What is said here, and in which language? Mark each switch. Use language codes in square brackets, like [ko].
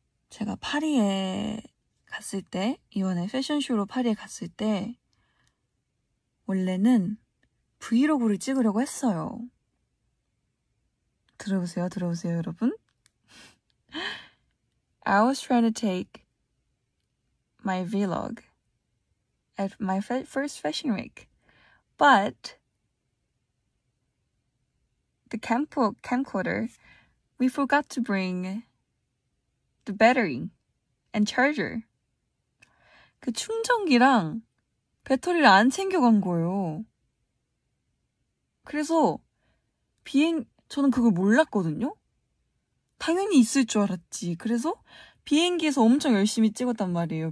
[ko] 제가 파리에 갔을 때, 이번에 패션쇼로 파리에 갔을 때, 원래는 브이로그를 찍으려고 했어요. 들어보세요, 들어보세요, 여러분. [en] I was trying to take my vlog at my first fashion week, but the camcorder, we forgot to bring the battery. And charger. [ko] 그 충전기랑 배터리를 안 챙겨간 거예요. 그래서 저는 그걸 몰랐거든요? 당연히 있을 줄 알았지. 그래서 비행기에서 엄청 열심히 찍었단 말이에요.